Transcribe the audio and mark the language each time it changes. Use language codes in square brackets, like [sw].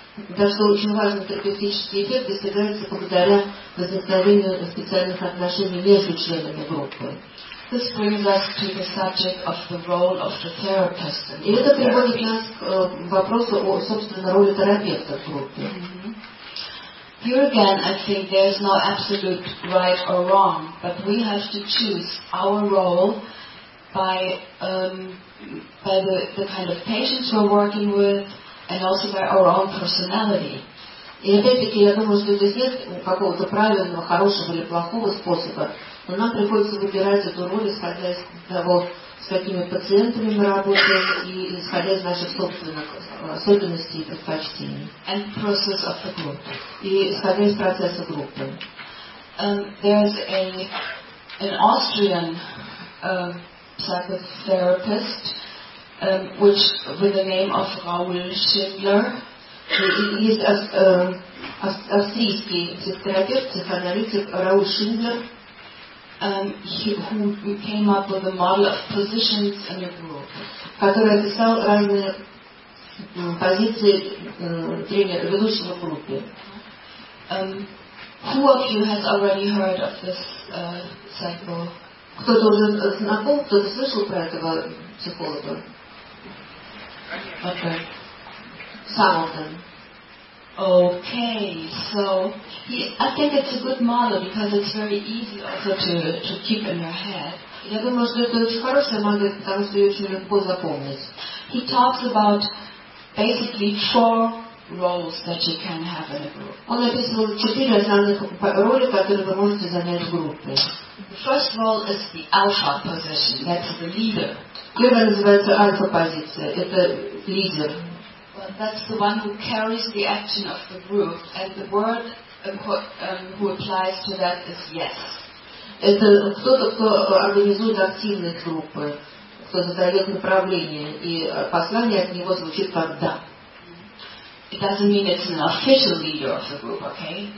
[ru] Даже очень важный терапевтический эффект достигается благодаря возникновению специальных отношений между членами группы. [en] This brings us to the subject of the role of the therapist. [ru] И это приводит нас к вопросу о, собственно, роли терапевта в группе. [en] Here again, I think there is no absolute right or wrong, but we have to choose our role by the kind of patients we're working with, and also by our own personality. [ru] И опять-таки, я думаю, что здесь нет какого-то правильного, хорошего или плохого способа, но нам приходится выбирать эту роль, исходя из того, с какими пациентами мы работаем, и исходя из наших собственных особенностей и предпочтений. [en] And process of the group. [ru] И исходя из процесса группы. [en] There's an Austrian psychotherapist, which with the name of Raoul Schindler. [ru] Есть австрийский психотерапевт, психоаналитик Раул Шиндлер. [en] Who came up with a model of positions in a group, [ru] который описал разные позиции тренера ведущего в группе. [en] Who of you has already heard of this cycle? [ru] Кто-то уже знаком, кто-то слышал про этого психолога? [en] Okay. Some of them. Okay, so I think it's a good model because it's very easy also to keep in your head. [ru] Я думаю, что это очень хорошая модель, потому что ее очень легко запомнить. [en] He talks about basically four roles that you can have in a group. [ru] Он описывал четыре основных роли, которые вы можете занять в группе. [en] The first role is the alpha position, that's the leader. [ru] Первая называется альфа-позиция, это лидер. [en] That's the one who carries the action of the group, and the word who applies to that is yes. [ru] Это кто-то, кто организует активные группы, кто задает направление, и послание от него звучит как да. [en] It doesn't mean it's an official leader of the group, okay?